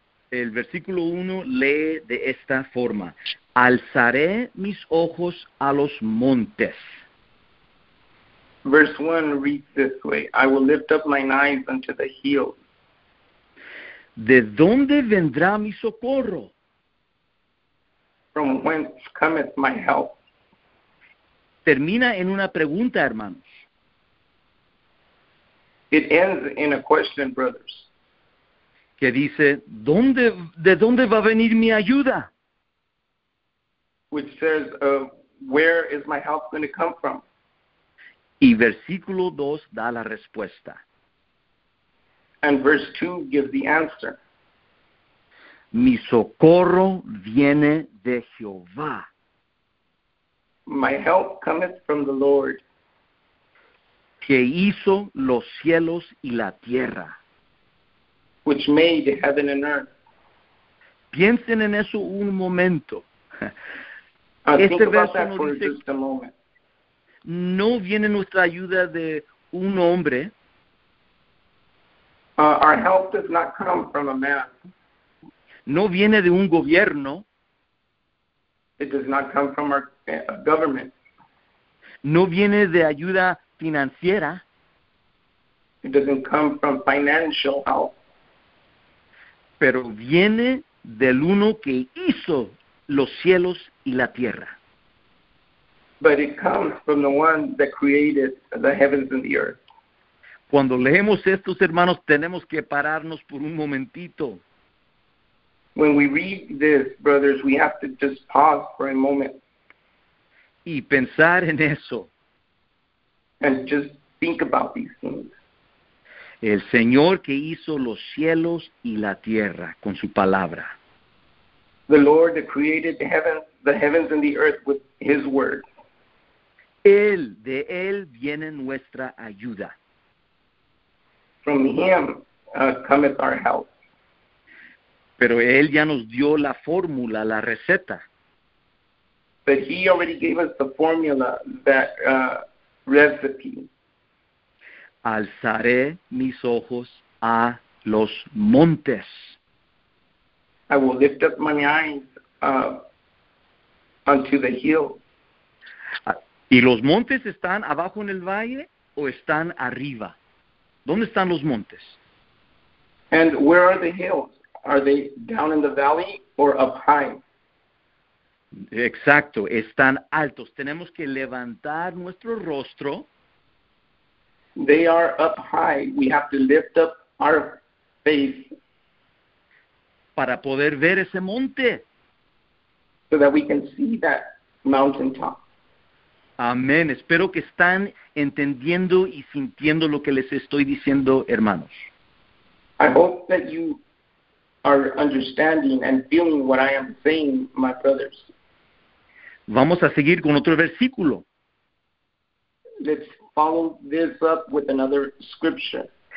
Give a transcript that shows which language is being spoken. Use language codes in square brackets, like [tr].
[es] El versículo 1 lee de esta forma. Alzaré mis ojos a los montes. [en] Verse 1 reads this way. I will lift up mine eyes unto the hills. [es] ¿De dónde vendrá mi socorro? [en] From whence cometh my help? [es] Termina en una pregunta, hermanos. [en] It ends in a question, brothers. [es] Que dice, ¿de dónde va a venir mi ayuda? [en] Which says, where is my help going to come from? [es] Y versículo 2 da la respuesta. [en] And verse 2 gives the answer. [es] Mi socorro viene de Jehová. [en] My help cometh from the Lord. [es] Que hizo los cielos y la tierra. [en] Which made heaven and earth. [es] Piensen en eso un momento. Este verso nos dice, [en] just a moment. [es] No viene nuestra ayuda de un hombre. [en] Our help does not come from a man. [es] No viene de un gobierno. [en] It does not come from our government. [es] No viene de ayuda financiera. [en] It doesn't come from financial help. [es] Pero viene del uno que hizo los cielos y la tierra. [en] But it comes from the one that created the heavens and the earth. [es] Cuando leemos estos hermanos, tenemos que pararnos por un momentito. [en] When we read this, brothers, we have to just pause for a moment. [es] Y pensar en eso. [en] And just think about these things. [es] El Señor que hizo los cielos y la tierra con su palabra. [en] The Lord that created the heavens and the earth with his word. [es] Él, de él viene nuestra ayuda. [en] From him cometh our help. [es] Pero Él ya nos dio la fórmula, la receta. [en] But He already gave us the formula, that recipe. [es] Alzaré mis ojos a los montes. [en] I will lift up my eyes unto the hills. [es] ¿Y los montes están abajo en el valle o están arriba? ¿Dónde están los montes? [en] And where are the hills? Are they down in the valley or up high? [es] Exacto, están altos. Tenemos que levantar nuestro rostro. [en] They are up high. We have to lift up our face. [es] Para poder ver ese monte. [en] So that we can see that mountaintop. [es] Amén. Espero que están entendiendo y sintiendo lo que les estoy diciendo, hermanos. [en] I hope that you are understanding and feeling what I am saying, my brothers. [es] Vamos a seguir con otro versículo. [en] Let's follow this up with another scripture.